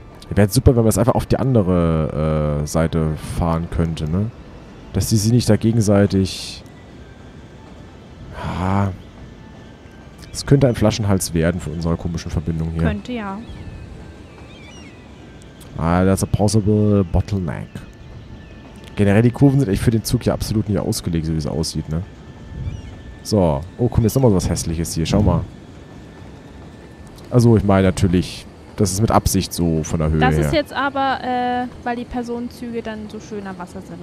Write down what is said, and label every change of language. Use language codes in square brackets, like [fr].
[de] Wäre super, wenn wir es einfach auf die andere Seite fahren könnte, ne? Dass die sich nicht da gegenseitig... Ja. Es könnte ein Flaschenhals werden für unsere komischen Verbindung hier. Könnte, ja. [en] Ah, that's a possible bottleneck. [de] Generell, die Kurven sind echt für den Zug ja absolut nicht ausgelegt, so wie es aussieht, ne? So. Oh, guck mal, jetzt nochmal so was Hässliches hier. Schau mal. Also, ich meine natürlich, das ist mit Absicht so von der Höhe her. Das ist jetzt aber, weil die Personenzüge dann so schön am Wasser sind.